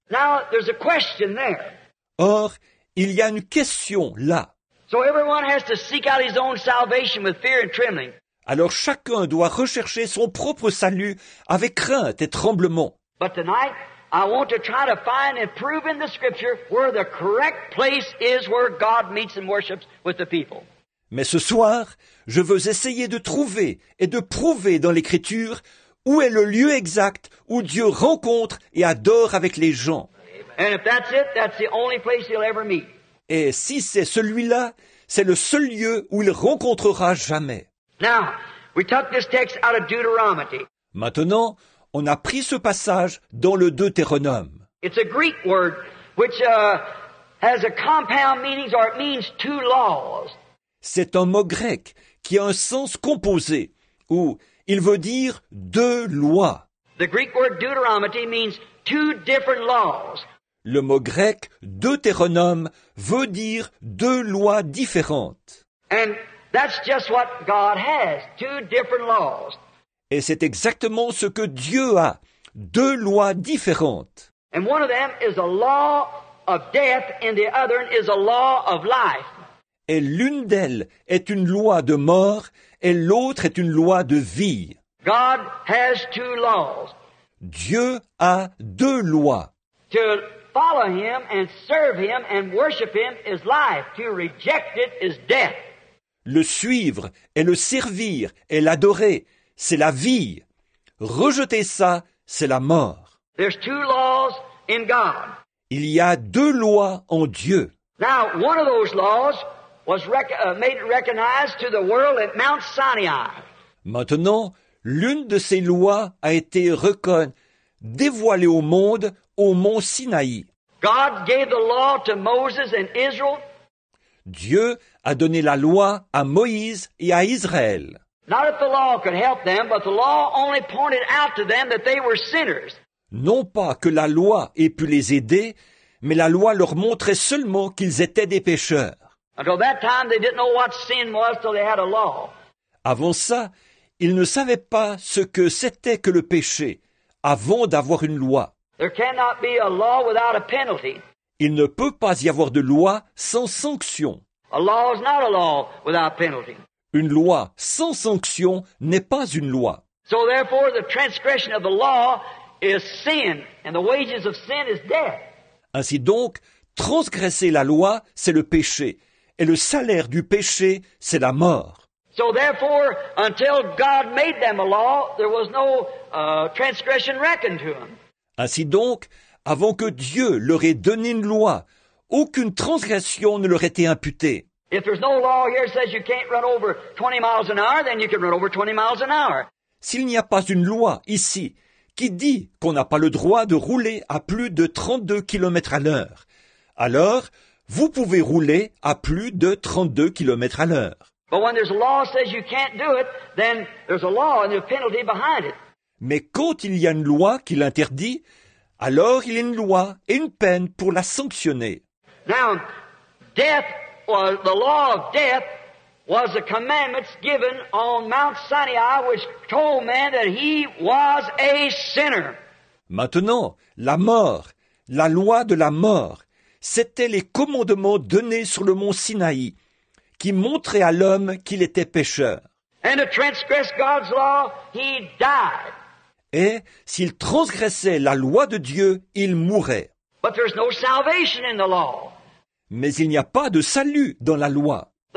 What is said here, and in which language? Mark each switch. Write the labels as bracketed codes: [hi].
[en] Now, there's a question there. [fr] Or, il y a une question là. [en] So everyone has to seek out his own salvation with fear and trembling. [fr] Alors chacun doit rechercher son propre salut avec crainte et tremblement. [en] But tonight, I want to try to find and prove in the scripture where the correct place is where God meets and worships with the people. [fr] Mais ce soir, je veux essayer de trouver et de prouver dans l'écriture où est le lieu exact où Dieu rencontre et adore avec les gens. [en] And if that's it, that's the only place he'll ever meet. [fr] Et si c'est celui-là, c'est le seul lieu où il rencontrera jamais. [en] Now, we took this text out of Deuteronomy. [fr] Maintenant, on a pris ce passage dans le Deutéronome. [en] It's a Greek word which has a compound meaning, or it means two laws. [fr] C'est un mot grec qui a un sens composé, où il veut dire deux lois. [en] The Greek word Deuteronomy means two different laws. [fr] Le mot grec Deutéronome veut dire deux lois différentes. [en] And that's just what God has, two different laws. [fr] Et c'est exactement ce que Dieu a, deux lois différentes. [en] And one of them is a law of death and the other is a law of life. [fr] Et l'une d'elles est une loi de mort et l'autre est une loi de vie. [en] God has two laws. [fr] Dieu a deux lois. [en] To follow him and serve him and worship him is life. To reject it is death. [fr] Le suivre et le servir et l'adorer, c'est la vie. Rejeter ça, c'est la mort. [en] There's two laws in God. [fr] Il y a deux lois en Dieu. [en] Now, one of those laws was made recognized to the world at Mount Sinai. [fr] Maintenant, l'une de ces lois a été dévoilée au monde au Mont Sinaï. [en] God gave the law to Moses and Israel. [fr] Dieu a donné la loi à Moïse et à Israël. [en] Not if the law could help them, but the law only pointed out to them that they were sinners. [fr] Non pas que la loi ait pu les aider, mais la loi leur montrait seulement qu'ils étaient des pécheurs. [en] Until that time, they didn't know what sin was till they had a law. [fr] Avant ça, ils ne savaient pas ce que c'était que le péché avant d'avoir une loi. [en] There cannot be a law without a penalty. [fr] Il ne peut pas y avoir de loi sans sanction. [en] A law is not a law without penalty. [fr] Une loi sans sanction n'est pas une loi. [en] So therefore the transgression of the law is sin, and the wages of sin is death. [fr] Ainsi donc, transgresser la loi, c'est le péché, et le salaire du péché, c'est la mort. [en] So therefore, until God made them a law, there was no transgression reckoned to them. [fr] Ainsi donc, avant que Dieu leur ait donné une loi, aucune transgression ne leur était imputée. [en] If there's no law here that says you can't run over 20 miles an hour, then you can run over 20 miles an hour. [fr] S'il n'y a pas une loi ici qui dit qu'on n'a pas le droit de rouler à plus de 32 km à l'heure, alors vous pouvez rouler à plus de 32 km à l'heure. [en] But when there's a law that says you can't do it, then there's a law and a penalty behind it. [fr] Mais quand il y a une loi qui l'interdit, alors il y a une loi et une peine pour la sanctionner. [en] Now, death, well, the law of death was the commandments given on Mount Sinai, which told man that he was a sinner. [fr] Maintenant, la mort, la loi de la mort, c'était les commandements donnés sur le mont Sinaï, qui montraient à l'homme qu'il était pécheur. [en] And to transgress God's law, he died. [fr] Et s'il transgressait la loi de Dieu, il mourait. [en] But there's no salvation in the law. [fr] Mais il n'y a pas de salut dans la loi.